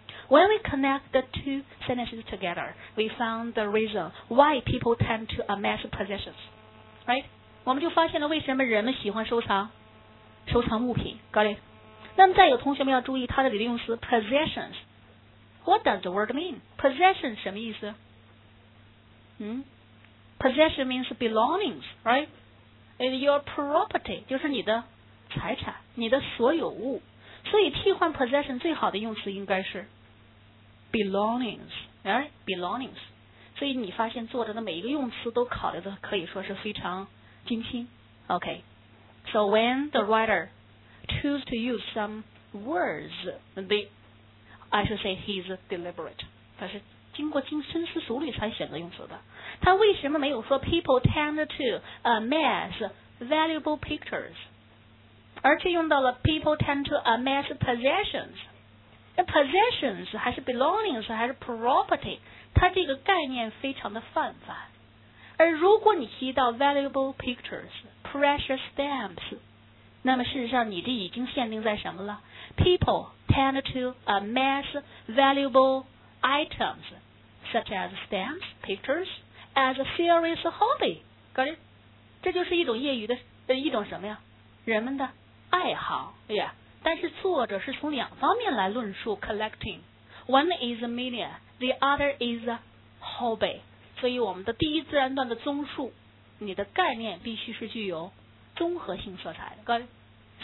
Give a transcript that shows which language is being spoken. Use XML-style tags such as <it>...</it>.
<en>When we connect the two sentences together, we found the reason why people tend to amass possessions. Right?</en> <zh>我们就发现了为什么人们喜欢收藏物品。</zh> <en>Got it?</en> <zh>那么再有同学们要注意它的理论用词 possessions.</zh> <en>What does the word mean?</en> <zh>Possessions 什么意思？</zh> <en>Possession means belongings, right? It's your property,</en> <zh>就是你的财产，你的所有物。所以替换 possession 最好的用词应该是 belongings, right? Belongings. 所以你发现作者的每一个用词都考虑的可以说是非常精心。</zh> <en>Okay. So when the writer choose to use some words, he's deliberate.</en> <zh>他是经过深思熟虑才选择用词的。他为什么没有说</zh> <en>people tend to amass valuable pictures,</en> <zh>而且用到了</zh> <en>people tend to amass possessions?</en> <zh>Possessions 还是 belongings 还是 property, 它这个概念非常的泛泛。而如果你提到 valuable pictures, precious stamps, 那么事实上你这已经限定在什么了？</zh> <en>People tend to amass valuable items such as stamps, pictures,as a serious hobby, got it?</en> <zh>这就是一种业余的一种什么呀？人们的爱好 ，yeah. 但是作者是从两方面来论述 collecting.</zh> <en>One is a media, the other is a hobby.</en> <zh>所以我们的第一自然段的综述，你的概念必须是具有综合性色彩的 ，got it?</zh>